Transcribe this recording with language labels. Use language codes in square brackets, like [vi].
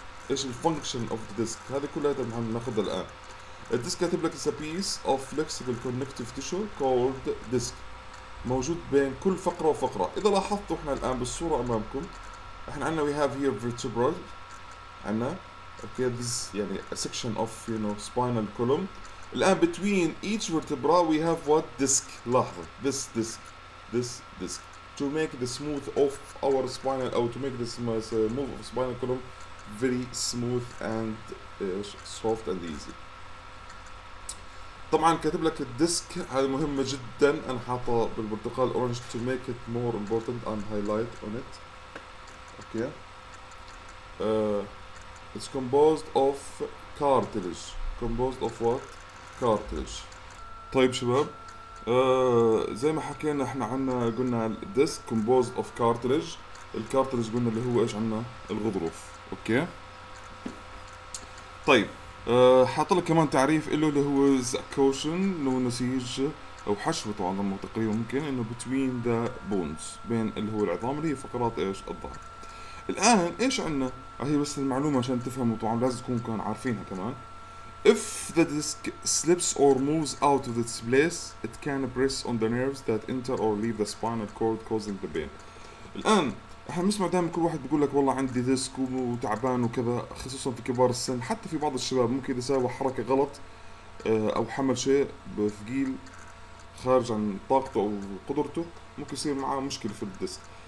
[ar] إيش الفانكشن [en] of the disc؟ [ar] هذه كلها مهم ناخذها الآن. الديسك كاتب لك [en] is a piece of flexible connective tissue called disc، [ar] موجود بين كل فقرة وفقرة. إذا لاحظتوا إحنا الآن بالصورة أمامكم، إحنا عندنا [en] we have here vertebra، عندنا okay this يعني a section of you know spinal column. الآن between each vertebra we have what disc، لاحظ this disc to make the smooth of our spinal or to make the move of spinal column very smooth and soft and easy. [ar] طبعا كاتب لك الديسك، هذا مهمة جدا، أنا حاطة بالبرتقال [en] orange to make it more important and highlight on it. okay it's composed of cartilage. composed of what cartilage. [ar] طيب شباب، زي ما حكينا احنا عنا قلنا [en] disc composed of cartilage. [ar] الكارتلج قلنا اللي هو ايش عنا، الغضروف. اوكي، طيب حاط لك كمان تعريف له اللي هو cushion، اللي هو نسيج او حشوه طبعا لما تقريبا ممكن انه [en] between the bones، [ar] بين اللي هو العظام اللي هي فقرات ايش، الظهر. الان ايش عنا، هي بس المعلومه عشان تفهموا طبعا لازم تكونوا كان عارفينها كمان. [en] If the disc slips or moves out of its place, it can press on the nerves that enter or leave the spinal cord causing the pain. [ar] الآن احنا بنسمع دائما كل واحد بيقول لك والله عندي ديسك وتعبان وكذا، خصوصا في كبار السن، حتى في بعض الشباب ممكن إذا سوى حركة غلط أو حمل شيء بثقيل خارج عن طاقته أو قدرته ممكن يصير معاه مشكلة في الديسك.